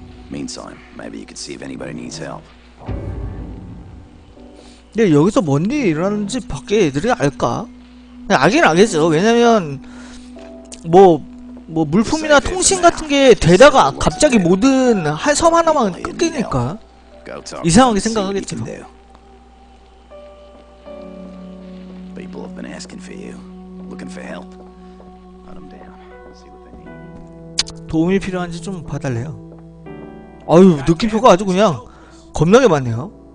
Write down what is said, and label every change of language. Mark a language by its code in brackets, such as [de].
[en] Meantime, maybe you could see if anybody needs help. [ko] 근데 여기서 뭔 일이 일어나는지 밖에 애들이 알까? 알긴 알겠죠. 왜냐면 뭐 물품이나 통신 같은 게 되다가 갑자기 모든 한 섬 하나만 끊기니까 이상하게 생각하겠죠. [en] People have been asking for you, looking for help. Put them down. See what they need. [ko] 도움이 필요한지 좀 봐달래요. 아유, 느낌표가 아주 그냥 겁나게 많네요.